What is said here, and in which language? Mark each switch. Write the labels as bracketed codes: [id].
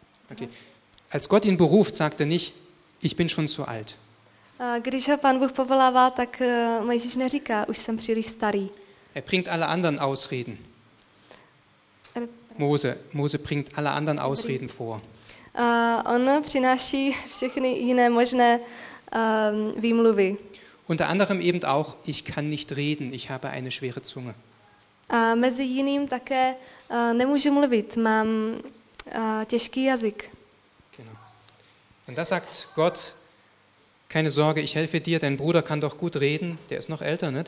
[de] Okay. Als Gott ihn beruft, sagte nicht, Ich bin schon zu alt. [cs] Když ho Pán Bůh povolává, tak Mojžíš neříká, už jsem příliš starý. [de] Er bringt alle anderen Ausreden. Mose bringt alle anderen Ausreden vor. [cs] On přináší všechny jiné možné výmluvy. [de] Unter anderem eben auch, ich kann nicht reden, ich habe eine schwere Zunge. [cs] A mezi jiným také nemůžu mluvit, mám těžký jazyk. [de] Genau. Und da sagt Gott, keine Sorge, ich helfe dir, dein Bruder kann doch gut reden, der ist noch älter, ne?